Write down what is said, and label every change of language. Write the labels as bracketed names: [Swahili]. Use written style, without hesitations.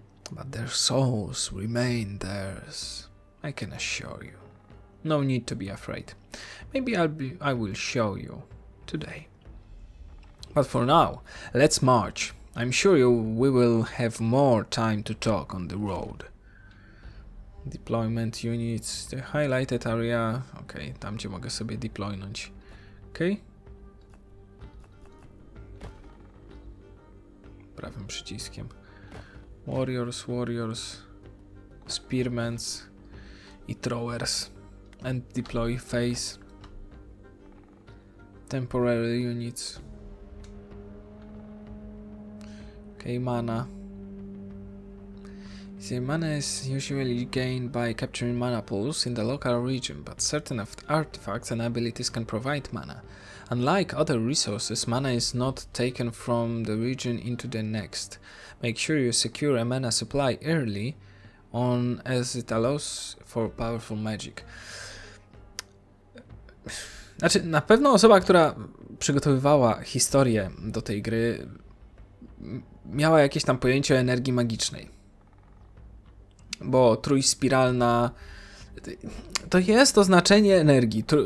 [English] But their souls remain theirs, I can assure you. No need to be afraid. Maybe I will show you today. But for now, let's march. I'm sure we will have more time to talk on the road. Deployment units, the highlighted area. [Polish] Okay, tam gdzie mogę sobie deploynąć. Okay. Prawym przyciskiem. Warriors, Spearmans i Throwers. [English] And deploy phase. Temporary units. Okay, mana. See, mana is usually gained by capturing mana pools in the local region, but certain artifacts and abilities can provide mana. Unlike other resources, mana is not taken from the region into the next. Make sure you secure a mana supply early on, as it allows for powerful magic. [Polish] Znaczy, na pewno osoba, która przygotowywała historię do tej gry, miała jakieś tam pojęcie o energii magicznej. Bo trójspiralna... To jest oznaczenie energii.